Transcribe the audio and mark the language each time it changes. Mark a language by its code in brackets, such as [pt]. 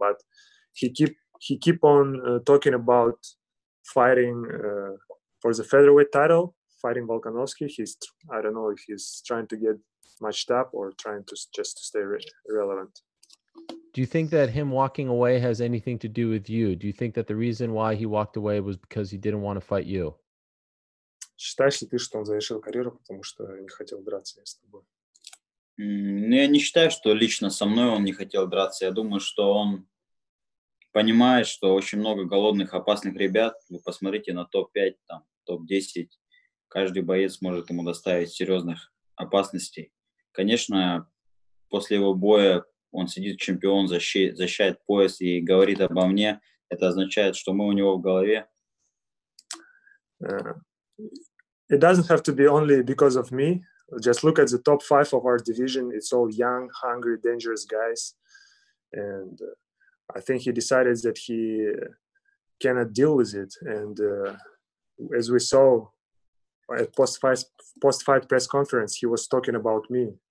[en] But he keep on talking about fighting for the featherweight title, fighting Volkanovski. I don't know if he's trying to get matched up or trying to just to stay relevant. Do you think that him walking away has anything to do with you? Do you think that the reason why he walked away was because he didn't want to fight you? [ru] Считаешь ли ты, что он завершил карьеру, потому что не хотел драться с тобой? Я не считаю, что лично со мной он не хотел драться. Я думаю, что он понимает, что очень много голодных, опасных ребят. Вы посмотрите на топ-5, там, топ-10. Каждый боец может ему доставить серьезных опасностей. Конечно, после его боя он сидит чемпион, защищает пояс и говорит обо мне. Это означает, что мы у него в голове. [en] It doesn't have to be only because of me. Just look at the top 5 of our division. It's all young, hungry, dangerous guys. And I think he decided that he cannot deal with it. And as we saw at post-fight press conference, he was talking about me.